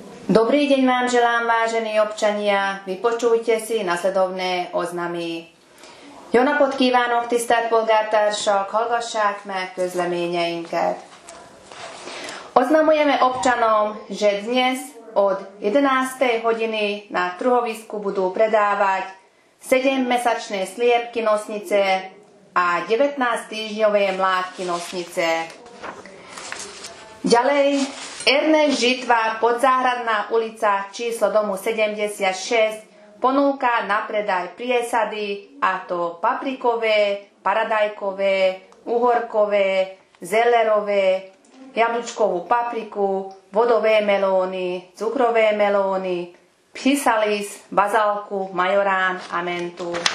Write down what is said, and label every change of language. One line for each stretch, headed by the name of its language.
Slovak: Dobrý deň vám želám, vážení občania. Vypočujte si nasledovné oznamy.
Hungarian: Jó napot kívánok, tisztelt polgártársak, hallgassák meg közleményeinket.
Slovak: Oznamujeme občanom, že dnes od 11. hodiny na truhovisku budú predávať 7-mesačné sliepky nosnice a 19-týždňové mládky nosnice. Ďalej, Ernest Žitva, Podzáhradná ulica, číslo domu 76, ponúka na predaj priesady, a to paprikové, paradajkové, uhorkové, zelerové, jablčkovú papriku, vodové melóny, cukrové melóny, psisalis, bazalku, majorán a mentu.